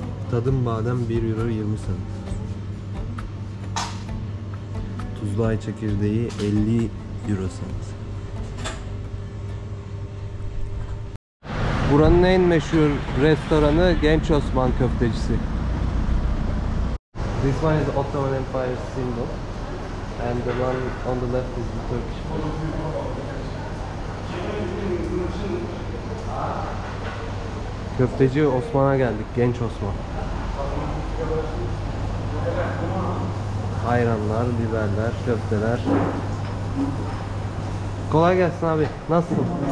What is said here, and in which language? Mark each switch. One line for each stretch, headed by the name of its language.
Turkish: Tadım badem 1 euro 20 cent. Tuzlu ay çekirdeği 50 euro cent. Buranın en meşhur restoranı Genç Osman Köftecisi.
English: This one is Ottoman Empire symbol. And the one on the left is the Turkish one.
Turkish: Köfteci Osman'a geldik, Genç Osman. Ayranlar, biberler, köfteler. Kolay gelsin abi. Nasılsın?